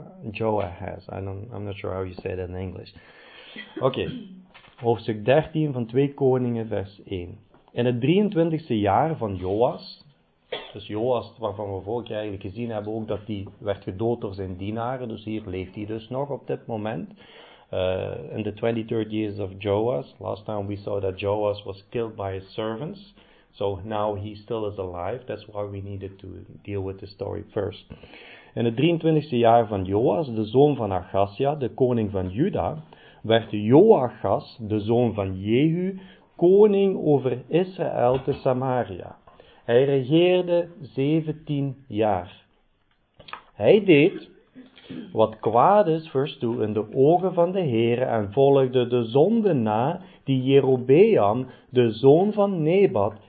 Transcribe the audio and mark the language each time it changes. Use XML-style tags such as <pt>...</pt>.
<en>Joahaz. I'm not sure how you say that in English.</en> <nl>Okay, hoofdstuk 13 van 2 Koningen vers 1. In het 23e jaar van Joas, dus Joas waarvan we vorige keer eigenlijk gezien hebben ook dat hij werd gedood door zijn dienaren, dus hier leeft hij dus nog op dit moment.</nl> <en>In the 23rd years of Joas, last time we saw that Joas was killed by his servants, so now he still is alive, that's why we needed to deal with the story first.</en> <nl>In het 23e jaar van Joas, de zoon van Achazia, de koning van Juda, werd Joachas, de zoon van Jehu, koning over Israël te Samaria. Hij regeerde 17 jaar. Hij deed wat kwaad is, vers 2, in de ogen van de Heere en volgde de zonde na die Jerobeam, de zoon van Nebat,</nl>